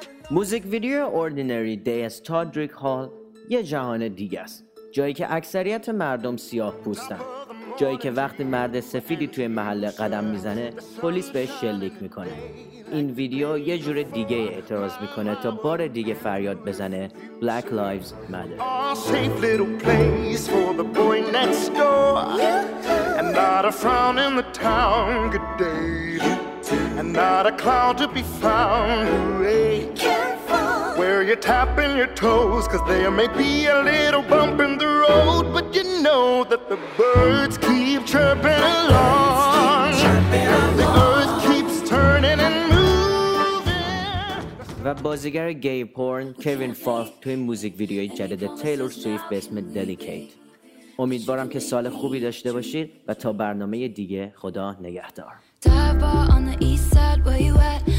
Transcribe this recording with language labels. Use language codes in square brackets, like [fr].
[fa] موزیک ویدیو اوردینری دی از تادریک هال یه جهان دیگه است، جایی که اکثریت مردم سیاه پوستن، جایی که وقتی مرد سفیدی توی محله قدم میزنه پلیس بهش شلیک میکنه. این ویدیو یه جور دیگه اعتراض میکنه تا بار دیگه فریاد بزنه [en] Black Lives Matter. And not a frown in the town, good day. And not a cloud to be found, hooray. Where you're tapping your toes, cause there may be a little bump in the road, but you know that the birds keep chirping along. The earth keeps turning and moving. [fa] و بازیگر گی پورن کوین فاف توی موزیک ویدیوی جدید تیلور سویف به اسم دلیکیت. امیدوارم که سال خوبی داشته باشید و تا برنامه دیگه خدا نگهدار. [en] Dive bar on the east side where you at?